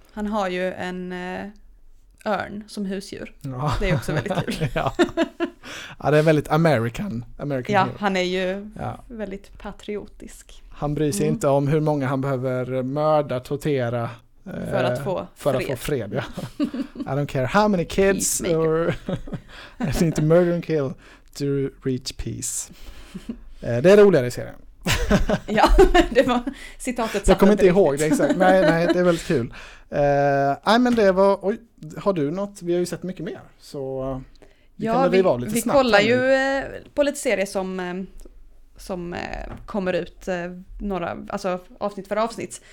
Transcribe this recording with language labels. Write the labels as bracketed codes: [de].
[sv] Han har ju en örn som husdjur. Ja. Det är också väldigt kul. Ja, det är väldigt American. Ja, hero. Han är ju väldigt patriotisk. Han bryr sig inte om hur många han behöver mörda, tortera för att få fred. Ja. [en] I don't care how many kids I need to murder and kill to reach peace. [sv] Det är roligare i serien. Ja, det var citatet. Jag kommer inte ihåg det exakt. Nej, det är väldigt kul. Nej, men det var... Oj, har du något? Vi har ju sett mycket mer, så... Vi kollar ju på lite serier som kommer ut några, alltså avsnitt för avsnitt.